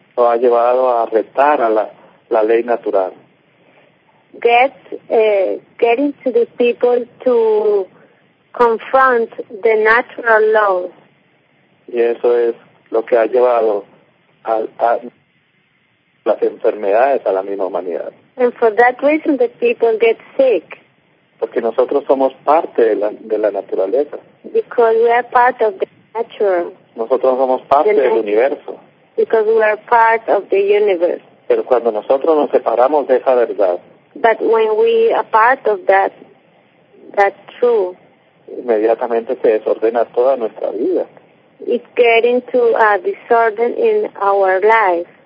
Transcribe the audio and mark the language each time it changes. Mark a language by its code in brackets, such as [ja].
[es] Lo ha llevado a retar a la ley natural. [en] Getting to these people to confront the natural laws. [es] Y eso es lo que ha llevado a las enfermedades a la misma humanidad. [en] And for that reason, the people get sick. [es] Porque nosotros somos parte de la naturaleza. [en] Because we are part of the nature. [es] Nosotros somos parte del universo. [en] Because we are part of the universe. [es] Pero cuando nosotros nos separamos de esa verdad. [en] But when we are part of that truth. [es] Inmediatamente se desordena toda nuestra vida. [en] It's getting to a disorder in our life.